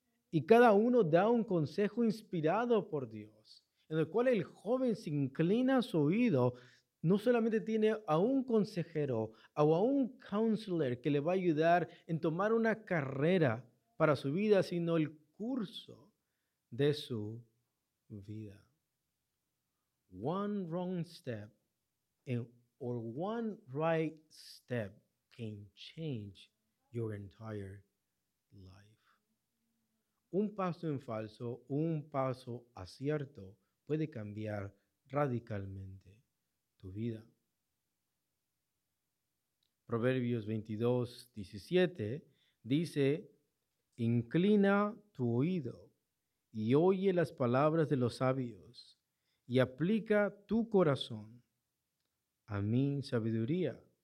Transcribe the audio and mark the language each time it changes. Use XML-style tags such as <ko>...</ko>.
<es>Y cada uno da un consejo inspirado por Dios, en el cual el joven se inclina a su oído, no solamente tiene a un consejero o a un counselor que le va a ayudar en tomar una carrera para su vida, sino el curso de su vida.</es> <en>One wrong step or one right step can change your entire life.</en> <es>Un paso en falso, un paso acierto, puede cambiar radicalmente tu vida. Proverbios 22:17 dice, Inclina tu oído y oye las palabras de los sabios y aplica tu corazón a mi sabiduría.</es>